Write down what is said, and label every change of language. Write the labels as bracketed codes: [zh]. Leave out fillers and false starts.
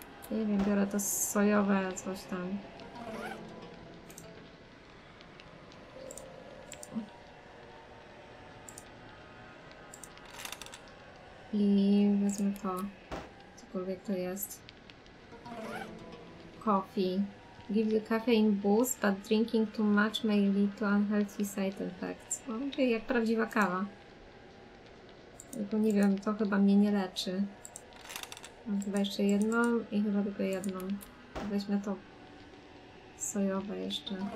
[pl] Nie wiem, biorę to sojowe coś tam. I wezmę to, cokolwiek to jest. [en] Coffee. Give the caffeine boost, but drinking too much may lead to unhealthy side effects. [pl] Okej, jak prawdziwa kawa. Tylko nie wiem, to chyba mnie nie leczy. Mam chyba jeszcze jedną i chyba tylko jedną. Weźmy to sojowe jeszcze.